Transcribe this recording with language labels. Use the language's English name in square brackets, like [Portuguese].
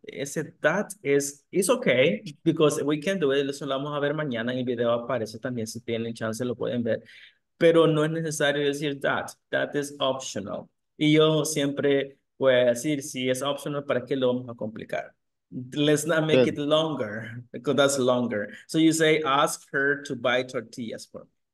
[English] Ese that is okay, because we can do it. [Spanish] Eso lo vamos a ver mañana en el video. Aparece también, si tienen chance lo pueden ver. Pero no es necesario decir that. [English] That is optional. [Spanish] Y yo siempre... Voy a decir, si es optional, ¿para qué lo vamos a complicar? [English] Let's not make it longer, because that's longer. So you say, ask her to buy tortillas for me.